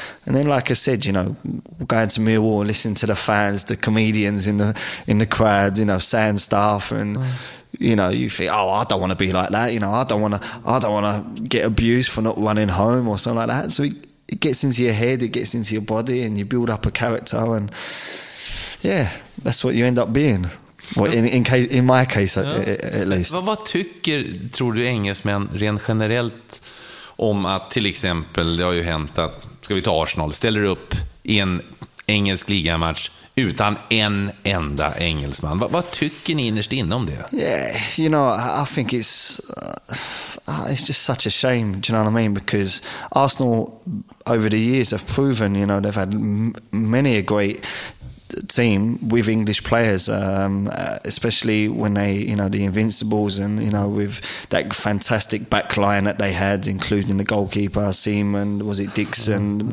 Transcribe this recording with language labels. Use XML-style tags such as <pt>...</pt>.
<en>And then, like I said, you know, going to Millwall, listening to the fans, the comedians in the crowd, you know, saying stuff, and, you know, you think, oh, I don't want to be like that, you know, I don't want to get abused for not running home or something like that. So it gets into your head, it gets into your body, and you build up a character, and, yeah, that's what you end up being. In my case, at least.</en> <sv>Vad tror du engelsmän rent generellt om att, till exempel, det har ju hänt att, ska vi ta Arsenal, ställer upp i en engelsk ligamatch utan en enda engelsman. Vad tycker ni innerst inne om det?</sv> <en>Yeah, you know, I think it's just such a shame, do you know what I mean? Because Arsenal, over the years, have proven, you know, they've had many a great team with English players, especially when they, you know, the Invincibles, and, you know, with that fantastic back line that they had, including the goalkeeper, Seaman, was it Dixon?</en>